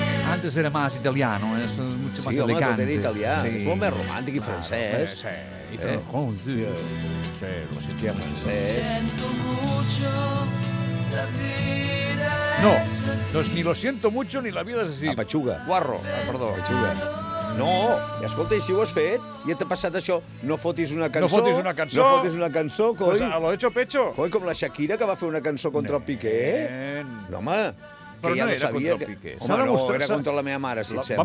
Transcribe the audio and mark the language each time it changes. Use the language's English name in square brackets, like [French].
[Spanish] Antes era más italiano, es mucho más elegante. Sí, italiano, sí. [Catalan] Es molt més romàntic i francès. Sí, i francès, sí. Sí, lo sentia francès. [Spanish] No, doncs ni lo siento mucho ni la vida es así. A pechuga. [Catalan] Guarro, perdó. [Spanish] A pechuga. [Catalan] No, i escolta, i si ho has fet, ja t'ha passat això, no fotis una cançó... No fotis una cançó... No fotis una cançó, coi... [Spanish] Pues a lo hecho pecho. [Catalan] Coi, com la Shakira, que va fer una cançó contra el Piqué. No, home... Però ja no era contra el Piqué. Home, no, era contra la meva mare, si et sembla.